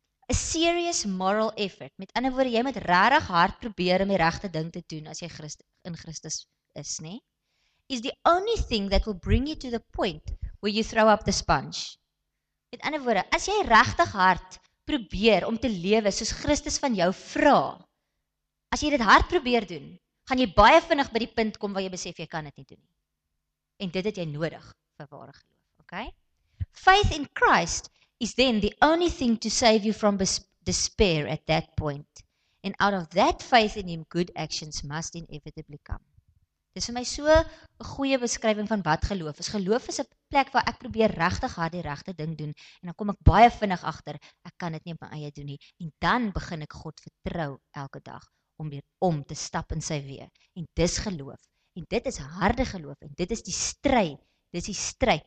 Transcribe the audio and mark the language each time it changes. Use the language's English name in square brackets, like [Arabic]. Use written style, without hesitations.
[English] A serious moral effort. [Afrikaans] Met ander woorde, jy moet regtig hard probeer om die regte ding te doen as jy in Christus is, nê? [English] Is the only thing that will bring you to the point where you throw up the sponge. [Afrikaans] Met ander woorde, as jy regtig hard probeer om te lewe soos Christus van jou vra, as jy dit hard probeer doen, gaan jy baie vinnig by die punt kom waar jy besef jy kan dit nie doen nie. En dit het jy nodig vir ware geloof. Okay? [English] Faith in Christ is then the only thing to save you from despair at that point. And out of that faith in him, good actions must inevitably come. [Afrikaans] Dis vir my so 'n goeie beskrywing van wat geloof is. Geloof is 'n plek waar ek probeer regtig hard die regte ding doen en dan kom ek baie vinnig agter ek kan dit nie op my eie doen nie en dan begin ek God vertrou elke dag om weer om te stap in sy weë. En dis geloof. En dit is harde geloof en dit is die stry. Dis die stryd.